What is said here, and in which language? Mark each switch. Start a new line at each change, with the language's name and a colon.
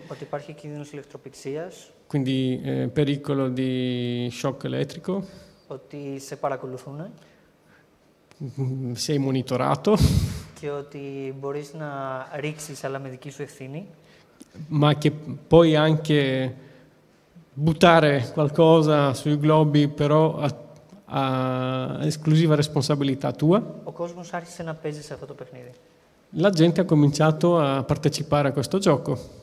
Greek: Ότι υπάρχει κίνδυνος ηλεκτροπηξίας.
Italian: Quindi pericolo di shock elettrico.
Greek: Ότι σε παρακολουθούν.
Italian: Sei monitorato.
Greek: Και ότι μπορείς να ρίξεις, αλλά με δική σου ευθύνη.
Italian: Ma che puoi anche buttare qualcosa sui globi, però a esclusiva responsabilità tua.
Greek: Ο κόσμος άρχισε να παίζει σε αυτό το παιχνίδι.
Italian: La gente ha cominciato a partecipare a questo gioco.